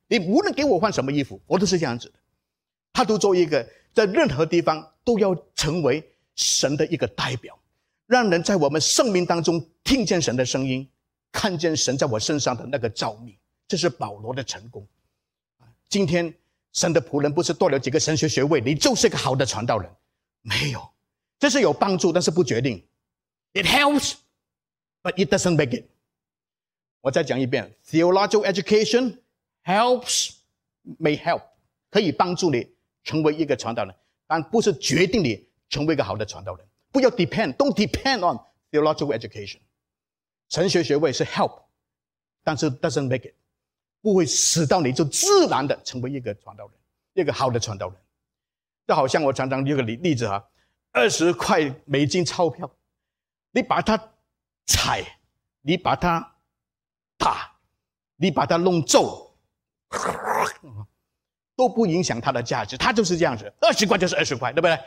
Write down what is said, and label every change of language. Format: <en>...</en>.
<zh>你无论给我换什么衣服，我都是这样子的。他都做一个在任何地方都要成为神的一个代表，让人在我们生命当中听见神的声音，看见神在我身上的那个召命。这是保罗的成功。今天神的仆人不是多了几个神学学位你就是个好的传道人，没有，这是有帮助，但是不决定。</zh> <en>It helps but it doesn't make it。</en> <zh>我再讲一遍，</zh> <en>theological education helps, may help,</en> <zh>可以帮助你成为一个传道人，但不是决定你成为一个好的传道人。不要</zh> <en>depend, don't depend on theological education.</en> <zh>神学学位是</zh> <en>help,</en> <zh>但是</zh> <en>doesn't make it，</en> <zh>不会使到你就自然的成为一个传道人，一个好的传道人。就好像我常常有个例子啊，20块美金钞票，你把它踩，你把它打，你把它弄皱，都不影响它的价值。它就是这样子，20块就是20块，对不对？</zh>